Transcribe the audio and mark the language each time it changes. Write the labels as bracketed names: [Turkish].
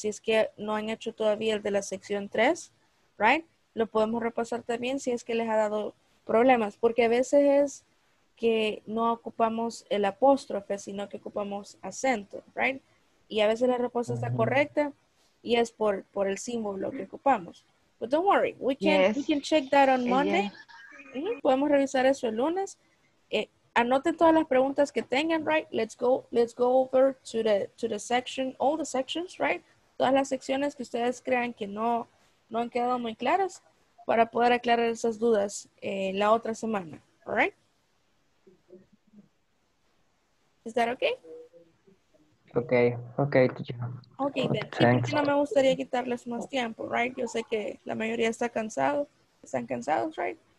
[Spanish] Si es que no han hecho todavía el de la sección 3, [English] right, [Spanish] lo podemos repasar también si es que les ha dado problemas, porque a veces es que no ocupamos el apóstrofe, sino que ocupamos acento, right? Y a veces la respuesta está correcta y es por el símbolo que ocupamos. [English] But don't worry, we can check that on Monday. Yeah. [Spanish] Mm-hmm. Podemos revisar eso el lunes. Anoten todas las preguntas que tengan, [English] right? Let's go over to the section, all the sections, right? [Spanish] Todas las secciones que ustedes crean que no han quedado muy claras, para poder aclarar esas dudas la otra semana, [English] all right? Is that okay? Okay, teacher. Okay, then. Thanks. [Spanish] No me gustaría quitarles más tiempo, [English] right? [Spanish] Yo sé que la mayoría están cansados, right?